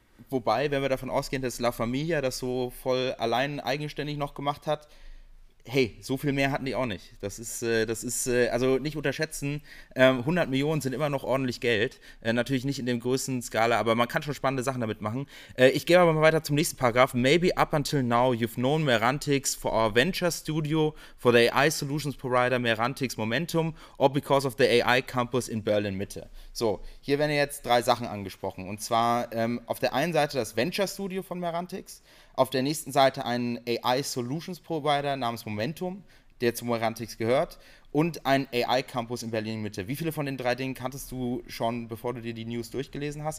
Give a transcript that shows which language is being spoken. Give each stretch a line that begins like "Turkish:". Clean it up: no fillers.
German: Wobei, wenn wir davon ausgehen, dass La Familia das so voll allein eigenständig noch gemacht hat, hey, so viel mehr hatten die auch nicht. Das ist also nicht unterschätzen. 100 Millionen sind immer noch ordentlich Geld. Natürlich nicht in dem größten Skala, aber man kann schon spannende Sachen damit machen. Ich gehe aber mal weiter zum nächsten Paragraph.
English: Maybe up until now you've known Merantix for our venture studio, for the AI solutions provider Merantix Momentum, or because of the AI campus in Berlin Mitte.
German: So, hier werden jetzt drei Sachen angesprochen. Und zwar auf der einen Seite das Venture Studio von Merantix. Auf der nächsten Seite ein AI Solutions Provider namens Momentum, der zu Merantix gehört, und ein AI Campus in Berlin Mitte. Wie viele von den drei Dingen kanntest du schon, bevor du dir die News durchgelesen hast?